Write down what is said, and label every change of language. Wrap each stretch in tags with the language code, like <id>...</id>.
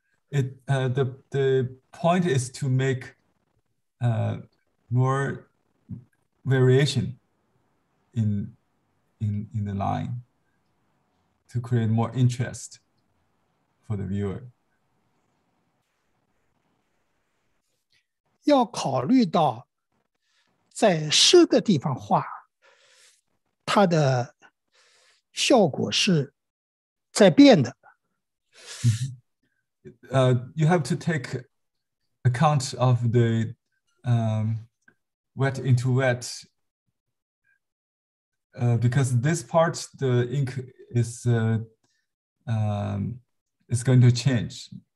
<en>The point is to make more variation in the line to create more interest for the viewer.</en> <zh>要考虑到在湿的地方画，它的效果是在变的。</zh> <en>You have to take account of the wet into wet Because this part, the ink is going to change.</en>